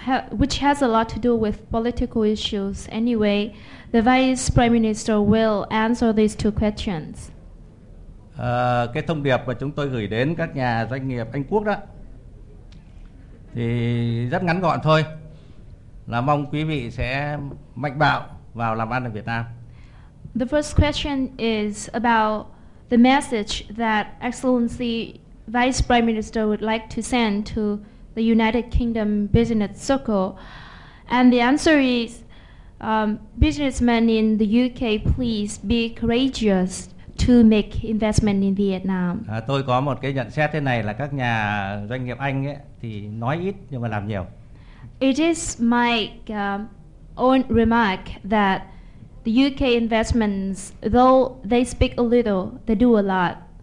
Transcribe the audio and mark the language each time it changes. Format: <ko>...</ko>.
<en>Which has a lot to do with political issues. Anyway, the vice prime minister will answer these two questions.</en> <vi>Cái thông điệp mà chúng tôi gửi đến các nhà doanh nghiệp Anh Quốc đó thì rất ngắn gọn thôi, là mong quý vị sẽ mạnh bạo vào làm ăn ở Việt Nam.</vi> <en>The first question is about the message that Excellency Vice Prime Minister would like to send to the United Kingdom business circle, and the answer is businessmen in the UK, please be courageous to make investment in Vietnam.</en> <vi>Tôi có một cái nhận xét thế này là các nhà doanh nghiệp Anh ấy thì nói ít nhưng mà làm nhiều.</vi> <en>It is my own remark that the UK investments, though they speak a little, they do a lot.</en>